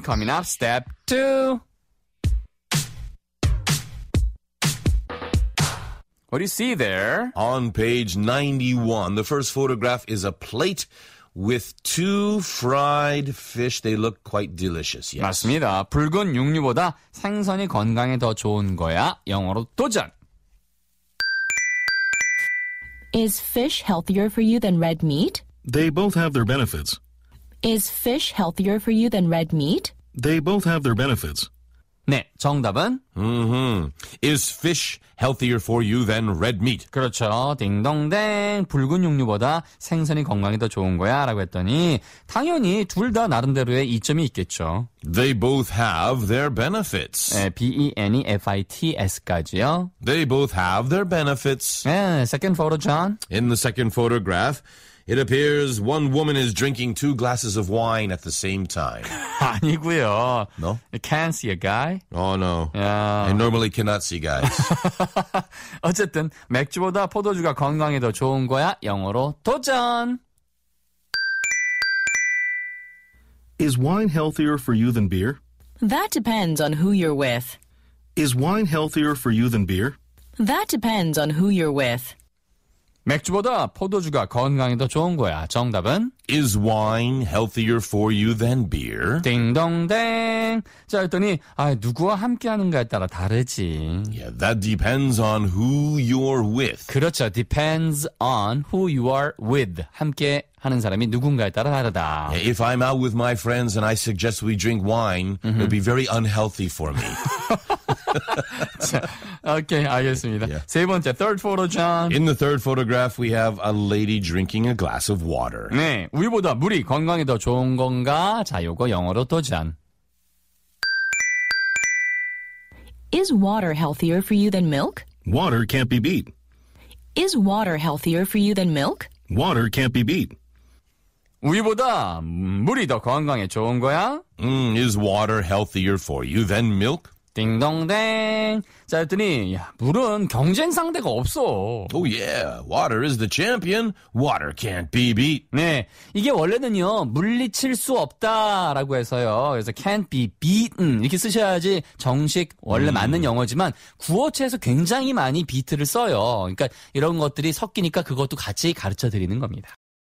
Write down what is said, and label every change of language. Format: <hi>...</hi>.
<en>Coming up, step 2. What do you see there? On page 91, the first photograph is a plate with two fried fish. They look quite delicious, yes.</en> <ko>맞습니다. 붉은 육류보다 생선이 건강에 더 좋은 거야. 영어로 도전!</ko> <en>Is fish healthier for you than red meat? They both have their benefits. Is fish healthier for you than red meat? They both have their benefits.</en> <ko>네, 정답은? Mm-hmm.</ko> <en>Is fish healthier for you than red meat?</en> <ko>그렇죠. 딩동댕. 붉은 육류보다 생선이 건강에 더 좋은 거야 라고 했더니 당연히 둘 다 나름대로의 이점이 있겠죠.</ko> <en>They both have their benefits.</en> <ko>네, B-E-N-E-F-I-T-S까지요.</ko> <en>They both have their benefits. 네, second photo, John. In the second photograph, it appears one woman is drinking two glasses of wine at the same time.</en> <ko>아니고요.</ko> <en>No? I can't see a guy. Oh, no. I normally cannot see guys.</en> <ko>어쨌든 맥주보다 포도주가 건강에 더 좋은 거야. 영어로 도전!</ko> <en>Is wine healthier for you than beer? That depends on who you're with. Is wine healthier for you than beer? That depends on who you're with.</en> <ko>맥주보다 포도주가 건강에 더 좋은 거야. 정답은?</ko> <en>Is wine healthier for you than beer?</en> <ko>딩동댕. 자, 했더니 누구와 함께하는가에 따라 다르지.</ko> <en>Yeah, that depends on who you're with.</en> <ko>그렇죠.</ko> <en>Depends on who you are with.</en> <ko>함께하는 사람이 누군가에 따라 다르다.</ko> <en>Yeah, if I'm out with my friends and I suggest we drink wine, mm-hmm. it would be very unhealthy for me.</en> <ko>자, 오케이, 알겠습니다. Yeah. 세 번째,</ko> <en>third photo, John. In the third photograph, we have a lady drinking a glass of water.</en> <ko>네, 우유보다 물이 건강에 더 좋은 건가? 자, 요거 영어로 도전.</ko> <en>Is water healthier for you than milk? Water can't be beat. Is water healthier for you than milk? Water can't be beat.</en> <ko>우유보다 물이 더 건강에 좋은 거야?</ko> <en>Is water healthier for you than milk?</en> <ko>딩동댕. 자, 했더니 야, 물은 경쟁 상대가 없어.</ko> <en>Oh yeah, water is the champion. Water can't be beat.</en> <ko>네, 이게 원래는요, 물리칠 수 없다라고 해서요. 그래서</ko> <en>can't be beaten</en> <ko>이렇게 쓰셔야지 정식 원래 맞는 영어지만 구어체에서 굉장히 많이 beat를 써요. 그러니까 이런 것들이 섞이니까 그것도 같이 가르쳐드리는 겁니다.</ko>